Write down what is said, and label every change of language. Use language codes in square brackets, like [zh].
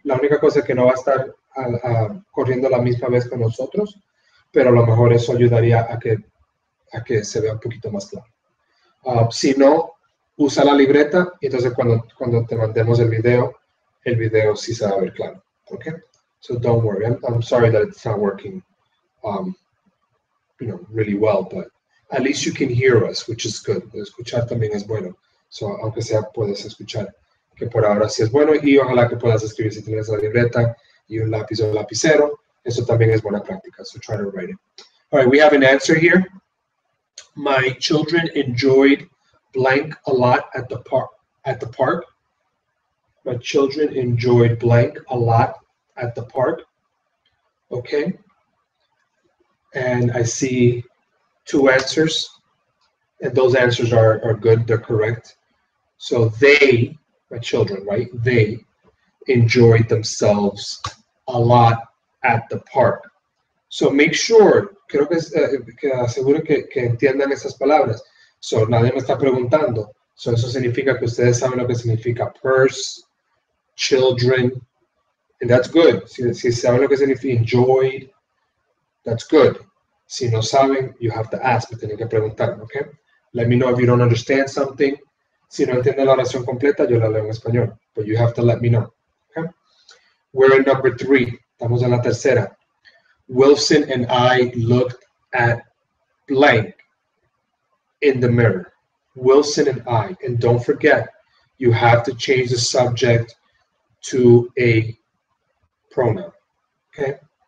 [es] La única cosa es que no va a estar corriendo a la misma vez con nosotros, pero a lo mejor eso ayudaría a que se vea un poquito más claro. Si no, usa la libreta y entonces cuando te mandemos el video sí se va a ver claro. [en] Okay? So don't worry. I'm sorry that it's not working, you know, really well, but at least you can hear us, which is good. [es] Escuchar también es bueno. So aunque sea puedes escuchar, que por ahora sí es bueno, y ojalá que puedas escribir si tienes la libreta y un lápiz o lapicero. Eso también es buena práctica. [en] So try to write it. All right, we have an answer here. My children enjoyed blank a lot at the park. My children enjoyed blank a lot at the park. Okay. And I see two answers. And those answers are good. They're correct. So they, my children, right? They enjoyed themselves a lot at the park. So make sure, [es] creo que aseguro que entiendan esas palabras. So nadie me está preguntando. So eso significa que ustedes saben lo que significa purse, children, [en] and that's good. [es] Si saben lo que significa enjoyed, [en] that's good. [es] Si no saben, [en] you have to ask, [es] me tienen que preguntar, okay? [en] Let me know if you don't understand something. [es] Si no entienden la oración completa, yo la leo en español. [en] But you have to let me know, okay? We're in number three. [es] Estamos en la tercera. [en] Wilson and I looked at blank in the mirror. Wilson and I. And don't forget, you have to change the subject to a pronoun. Okay?